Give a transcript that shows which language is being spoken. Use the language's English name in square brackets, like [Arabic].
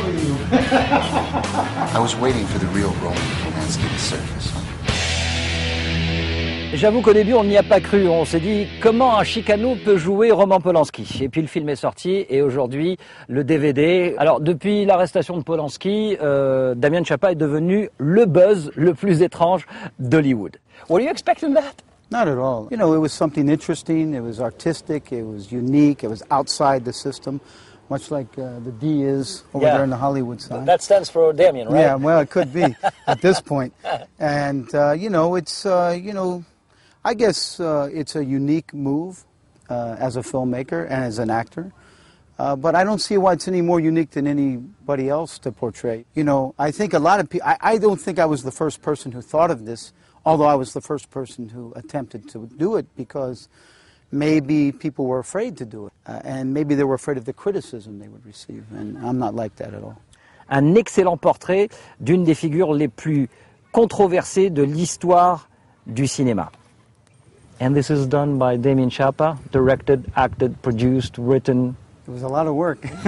[English] I was waiting for the real Roman Polanski to surface. [French] J'avoue qu'au début, on n'y a pas cru. On s'est dit, comment un Chicano peut jouer Roman Polanski? Et puis le film est sorti, et aujourd'hui, le DVD. Alors, depuis l'arrestation de Polanski, Damien Chapa est devenu le buzz le plus étrange d'Hollywood. [English] Were you expecting that? Not at all. You know, it was something interesting, it was artistic, it was unique, it was outside the system. Much like the D is over there in the Hollywood sign. That stands for Damien, right? Yeah, well, it could be at this point. And, you know, it's, you know, I guess it's a unique move as a filmmaker and as an actor. But I don't see why it's any more unique than anybody else to portray. You know, I think a lot of people, I don't think I was the first person who thought of this, although I was the first person who attempted to do it because... Maybe people were afraid to do it, and maybe they were afraid of the criticism they would receive, and I'm not like that at all. [French] Un excellent portrait d'une des figures les plus controversées de l'histoire du cinéma. [English] And this is done by Damien Chapa, directed, acted, produced, written. It was a lot of work.